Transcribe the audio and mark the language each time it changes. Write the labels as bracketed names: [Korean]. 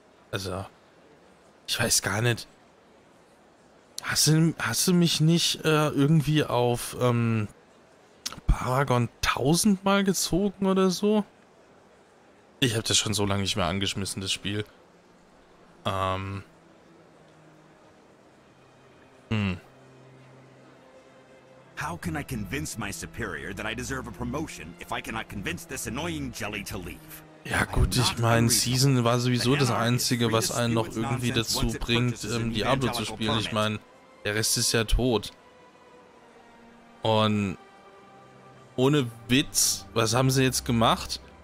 [German] Also, ich weiß gar nicht. Hast du mich nicht irgendwie auf Paragon 1000 mal gezogen oder so? Ich habe das schon so lange nicht mehr angeschmissen, das Spiel. [English] How can I convince my superior that I deserve a promotion if I cannot convince this annoying jelly to leave? [German] Ja gut, ich meine, Season war sowieso das Einzige, was einen noch irgendwie dazu bringt, Diablo zu spielen. Ich meine, der Rest ist ja tot. Und ohne Witz, was haben sie jetzt gemacht?